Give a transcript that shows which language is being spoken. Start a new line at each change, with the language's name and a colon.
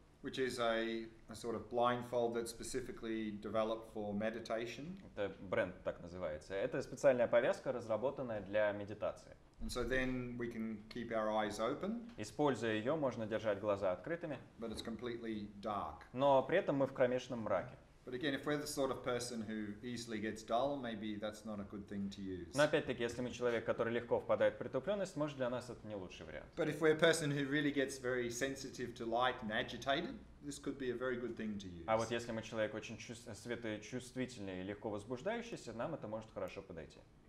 English: Which is a sort of blindfold that's specifically developed for meditation.
Russian: Это бренд так называется. Это специальная повязка, разработанная для медитации.
English: And so then we can keep our eyes open.
Russian: Используя ее, можно держать глаза открытыми.
English: But it's completely dark.
Russian: Но при этом мы в кромешном мраке.
English: But again, if we're the sort of person who easily gets dull, maybe that's not a good thing to use.
Russian: Но опять-таки, если мы человек, который легко впадает в притупленность, может для нас это не лучший вариант.
English: But if we're a person who really gets very sensitive to light and agitated, this could be a very good thing to use.
Russian: А вот если мы человек очень светочувствительный и легко возбуждающийся, нам это может хорошо подойти.